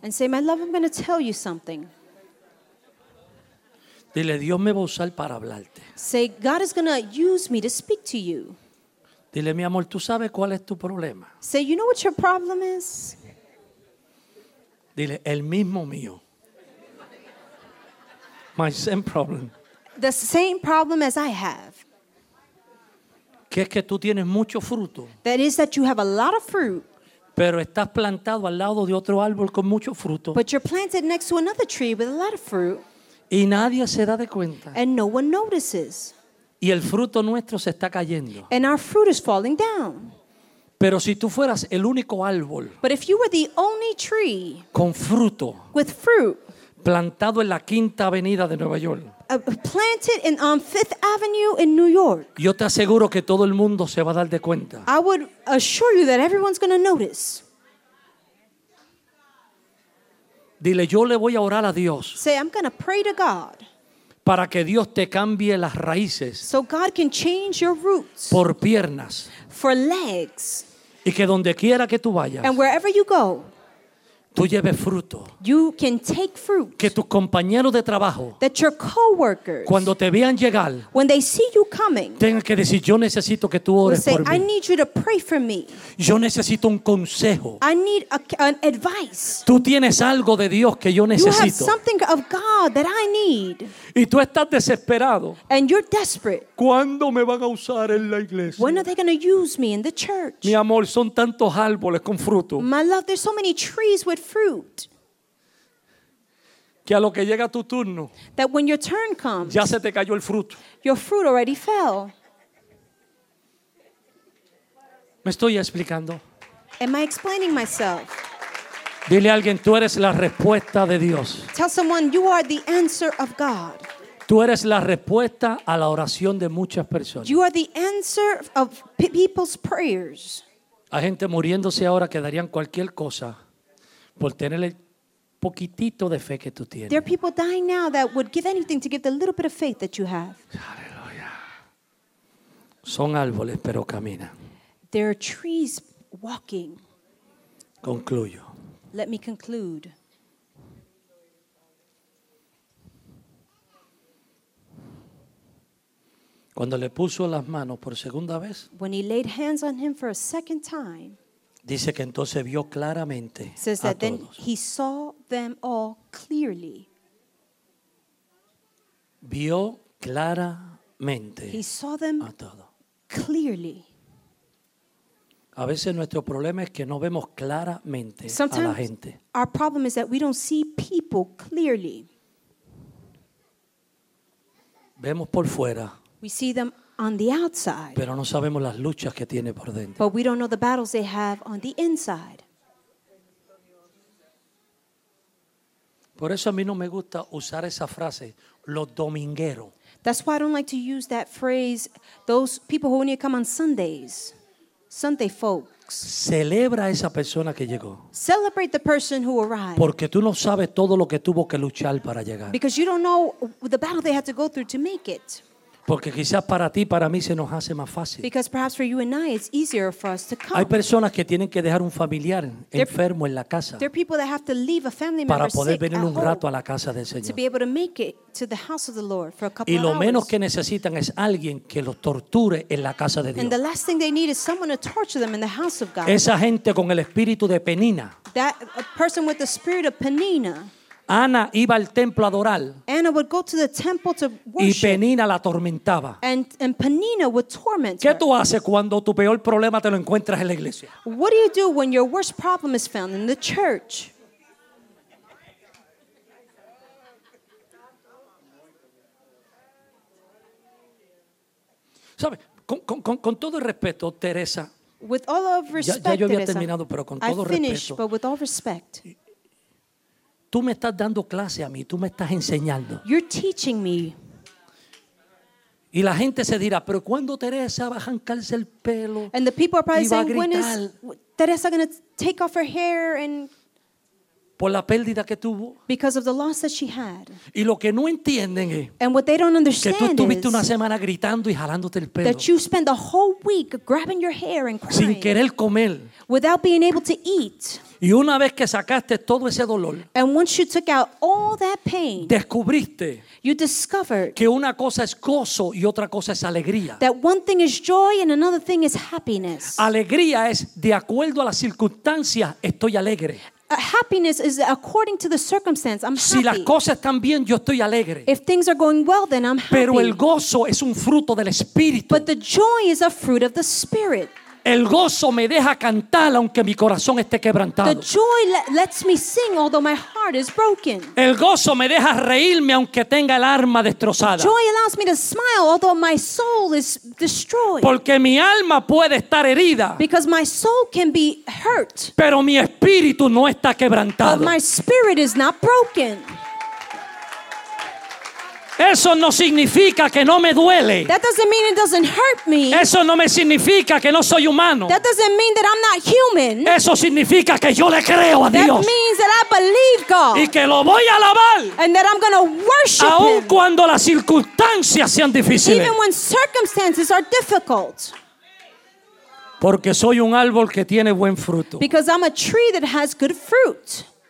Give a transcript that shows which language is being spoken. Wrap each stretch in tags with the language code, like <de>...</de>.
<en>And say, my love, I'm going to tell you something.</en> <es>Dile, Dios me va a usar para hablarte.</es> <en>Say, God is going to use me to speak to you.</en> <es>Dile, mi amor, ¿tú sabes cuál es tu problema?</es> <en>Say, you know what your problem is?</en> <es>Dile, el mismo mío.</es> <en>My same problem. The same problem as I have.</en> <es>Que es que tú tienes mucho fruto.</es> <en>That is that you have a lot of fruit.</en> <es>Pero estás plantado al lado de otro árbol con mucho fruto.</es> <en>But you're planted next to another tree with a lot of fruit.</en> <es>Y nadie se da de cuenta.</es> <en>And no one notices.</en> <es>Y el fruto nuestro se está cayendo.</es> <en>And our fruit is falling down.</en> <es>Pero si tú fueras el único árbol.</es> <en>But if you were the only tree.</en> <es>Con fruto.</es> <en>With fruit.</en> <es>Plantado en la Quinta Avenida de Nueva York.</es> <en>Planted in, on Fifth Avenue in New York.</en> <es>Yo te aseguro que todo el mundo se va a dar de cuenta.</es> <en>I would assure you that everyone's going to notice.</en> <es>Dile, yo le voy a orar a Dios.</es> <en>Say, I'm going to pray to God.</en> <es>Para que Dios te cambie las raíces.</es> <en>So God can change your roots.</en> <es>Por piernas.</es> <en>For legs.</en> <es>Y que donde quiera que tú vayas.</es> <en>And wherever you go.</en> <es>tú lleves fruto.</es> <en>You can take fruit.</en> <es>Que tus compañeros de trabajo,</es> <en>that your coworkers,</en> <es>cuando te vean llegar,</es> <en>when they see you coming,</en> <es>tengan que decir, yo necesito que tú ores</es> <en>say,</en> <es>por mí.</es> <en>I need you to pray for me.</en> <es>Yo necesito un consejo.</es> <en>I need an advice.</en> <es>Tú tienes algo de Dios que yo necesito.</es> <en>You have something of God that I need.</en> <es>Y tú estás desesperado.</es> <en>And you're desperate.</en> <es>¿Cuándo me van a usar en la iglesia?</es> <en>When are they going to use me in the church?</en> <es>Mi amor, son tantos árboles con fruto.</es> <en>My love, there's so many trees with fruit.</en> <es>Que a lo que llega tu turno,</es> <en>that when your turn comes,</en> <es>ya se te cayó el fruto.</es> <en>Your fruit already fell.</en> <es>¿Me estoy explicando?</es> <en>Am I explaining myself?</en> <es>Dile a alguien, tú eres la respuesta de Dios.</es> <en>Tell someone, you are the answer of God.</en> <es>Tú eres la respuesta a la oración de muchas personas.</es> <en>You are the answer of people's prayers.</en> <es>Hay gente muriéndose ahora que darían cualquier cosa por tener el poquitito de fe que tú tienes.</es> <en>There are people dying now that would give anything to give the little bit of faith that you have.</en> <es>Aleluya. Son árboles, pero caminan.</es> <en>There are trees walking.</en> <es>Concluyo.</es> <en>Let me conclude.</en> <es>Cuando le puso las manos por segunda vez,</es> <en>when he laid hands on him for a second time,</en> <es>dice que entonces vio claramente a todos.</es> <en>Says that then he saw them all clearly.</en> <es>Vio claramente</es> <en>he saw them</en> <es>a todos.</es> <en>Clearly.</en> <es>A veces nuestro problema es que no vemos claramente</es> <en>sometimes</en> <es>a la gente.</es> <en>Our problem is that we don't see people clearly.</en> <es>Vemos por fuera.</es> <en>We see them on the outside.</en> <es>Pero no sabemos las luchas que tiene por dentro.</es> <en>But we don't know the battles they have on the inside.</en> <es>Por eso a mí no me gusta usar esa frase, los domingueros.</es> <en>That's why I don't like to use that phrase, those people who only come on Sundays. Sunday folks.</en> <es>Celebra a esa persona que llegó.</es> <en>Celebrate the person who arrived.</en> <es>Porque tú no sabes todo lo que tuvo que luchar para llegar.</es> <en>Because you don't know the battle they had to go through to make it.</en> <es>Porque quizás para ti, para mí se nos hace más fácil.</es> <en>Because perhaps for you and I it's easier for us to come.</en> <es>Hay personas que tienen que dejar un familiar enfermo en la casa.</es> <en>There are people that have to leave a family member</en> <es>para poder</es> <en>sick</en> <es>venir un rato a la casa del Señor.</es> <en>To be able to make it to the house of the Lord for a couple of hours.</en> <es>Y lo menos que necesitan es alguien que los torture en la casa de Dios.</es> <en>And the last thing they need is someone to torture them in the house of God.</en> <es>Esa gente con el espíritu de Penina.</es> <en>That a person with the spirit of Penina.</en> <es>Ana iba al templo a adorar.</es> <en>Anna would go to the temple to worship.</en> <es>Y Penina la atormentaba.</es> <en>And Penina would torment her.</en> <es>¿Qué tú haces cuando tu peor problema te lo encuentras en la iglesia?</es> <en>What do you do when your worst problem is found in the church?</en> <es>¿Sabes? Con todo el respeto, Teresa.</es> <en>With all of respect,</en> <es>ya, ya yo había</es> <en>Teresa,</en> <es>terminado, pero con</es> <en>I</en> <es>todo</es> <en>finished,</en> <es>respeto.</es> <en>But with all respect.</en> <es>Tú me estás dando clase a mí, tú me estás enseñando.</es> <en>You're teaching me.</en> <es>Y la gente se dirá, pero ¿cuándo Teresa va a arrancarse el pelo?</es> <en>And the people are probably saying,</en> <es>gritar,</es> <en>when is Teresa going to take off her hair and</en> <es>por la pérdida que tuvo.</es> <en>Because of the loss that she had.</en> <es>Y lo que no entienden es</es> <en>and what they don't understand</en> <es>que tú estuviste una semana gritando y jalándote el pelo.</es> <en>That you spent a whole week grabbing your hair and crying.</en> <es>Sin querer comer.</es> <en>Without being able to eat.</en> <es>Y una vez que sacaste todo ese dolor,</es> <en>and once you took out all that pain,</en> <es>descubriste</es> <en>you discovered</en> <es>que una cosa es gozo y otra cosa es alegría.</es> <en>That one thing is joy and another thing is happiness.</en> <es>Alegría es de acuerdo a las circunstancias, estoy alegre.</es> <en>Happiness is according to the circumstance. I'm happy.</en> <es>Si las cosas están bien, yo estoy alegre.</es> <en>If things are going well, then I'm happy.</en> <es>Pero el gozo es un fruto del Espíritu.</es> <en>But the joy is a fruit of the Spirit.</en> <es>El gozo me deja cantar aunque mi corazón esté quebrantado.</es> <en>The joy lets me sing although my heart is broken.</en> <es>El gozo me deja reírme aunque tenga el alma destrozada.</es> <en>Joy allows me to smile although my soul is destroyed.</en> <es>Porque mi alma puede estar herida.</es> <en>Because my soul can be hurt.</en> <es>Pero mi espíritu no está quebrantado.</es> <en>But my spirit is not broken.</en> <es>Eso no significa que no me duele.</es> <en>That doesn't mean it doesn't hurt me.</en> <es>Eso no me significa que no soy humano.</es> <en>That doesn't mean that I'm not human.</en> <es>Eso significa que yo le creo a Dios.</es> <en>That means that I believe God.</en> <es>Y que lo voy a alabar.</es> <en>And that I'm going to worship</en> <es>aun</es> <en>him.</en> <es>Aun cuando las circunstancias sean difíciles.</es> <en>Even when circumstances are difficult.</en> <es>Porque soy un árbol que tiene buen fruto.</es> <en>Because I'm a tree that has good fruit.</en>